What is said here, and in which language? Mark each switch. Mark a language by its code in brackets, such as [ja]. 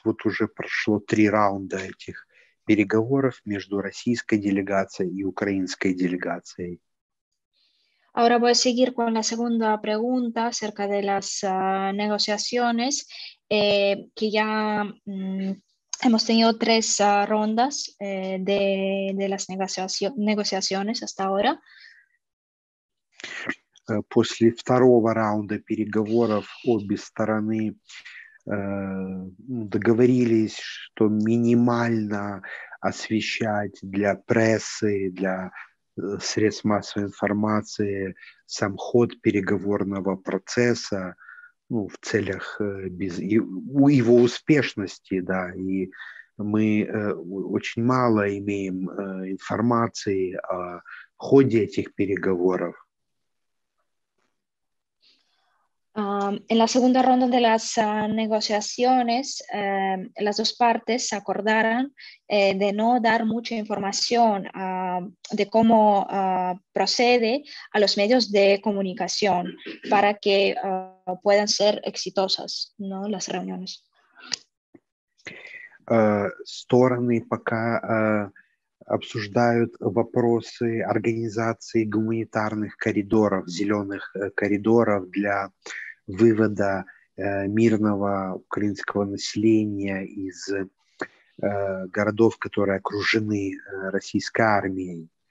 [ru] Вот уже прошло 3 раунда этих переговоров между российской делегацией и украинской делегацией. [es] Ahora voy a seguir con la segunda pregunta acerca de las negociaciones, que ya hemos tenido 3 rondas de las negociaciones hasta ahora. [ru] После 2-го раунда переговоров обе стороны договорились, что минимально освещать для прессы, для средств массовой информации сам ход переговорного процесса, ну, в целях его успешности, да, и мы очень мало имеем информации о ходе этих переговоров. [es] En la segunda ronda de las negociaciones, las dos partes acordaron de no dar mucha información de cómo procede a los medios de comunicación para que puedan ser exitosas, ¿no? Las reuniones. [ru] Стороны пока обсуждают вопросы организации гуманитарных коридоров, зеленых коридоров для вывода мирного украинского населения из городов, которые окружены российской армией.